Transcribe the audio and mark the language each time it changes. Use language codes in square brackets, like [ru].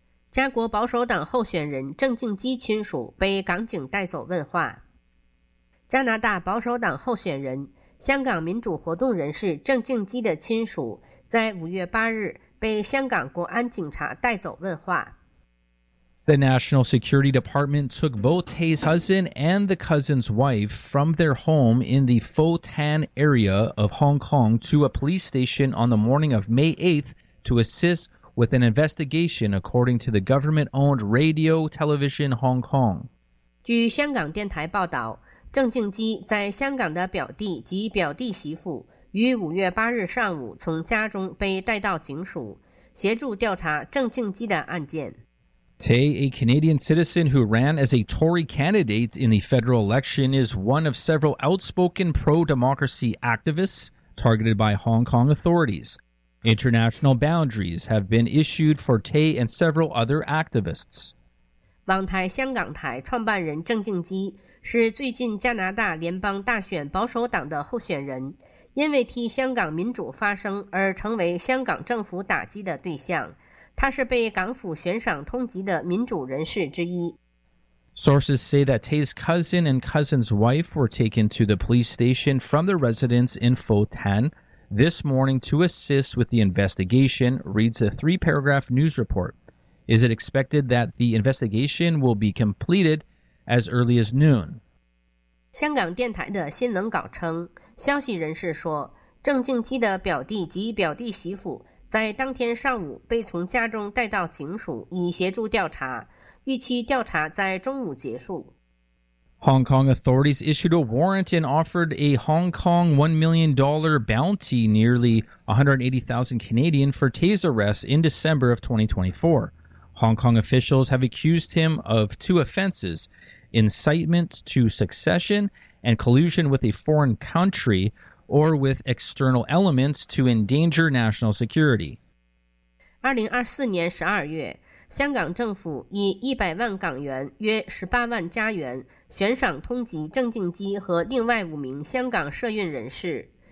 [zh] 加国保守党候选人郑敬基亲属被港警带走问话。加拿大保守党候选人、香港民主活动人士郑敬基的亲属在5月8日被香港国安警察带走问话。 [en] The National Security Department took both Tay's husband and the cousin's wife from their home in the Pho Tan area of Hong Kong to a police station on the morning of May 8th to assist with an investigation, according to the government-owned Radio Television Hong Kong. [zh] 据香港电台报道，郑敬基在香港的表弟及表弟媳妇于5月8日上午从家中被带到警署，协助调查郑敬基的案件。 [en] Tay, a Canadian citizen who ran as a Tory candidate in the federal election, is one of several outspoken pro-democracy activists targeted by Hong Kong authorities. International boundaries have been issued for Tay and several other activists. [zh] 网台香港台创办人郑敬基是最近加拿大联邦大选保守党的候选人，因为替香港民主发声而成为香港政府打击的对象。他是被港府悬赏通缉的民主人士之一。 [en] Sources say that Tay's cousin and cousin's wife were taken to the police station from their residence in Pho Tan. This morning to assist with the investigation, reads a three-paragraph news report. Is it expected that the investigation will be completed as early as noon? [zh] 香港电台的新闻稿称，消息人士说，郑敬基的表弟及表弟媳妇在当天上午被从家中带到警署以协助调查，预期调查在中午结束。 [en] Hong Kong authorities issued a warrant and offered a Hong Kong $1 million bounty, nearly $180,000 Canadian, for Tay's arrest in December of 2024. Hong Kong officials have accused him of two offenses, incitement to secession and collusion with a foreign country or with external elements to endanger national security. [zh] 2024年12月，香港政府以100万港元（约18万加元）悬赏通缉郑敬基和另外五名香港社运人士。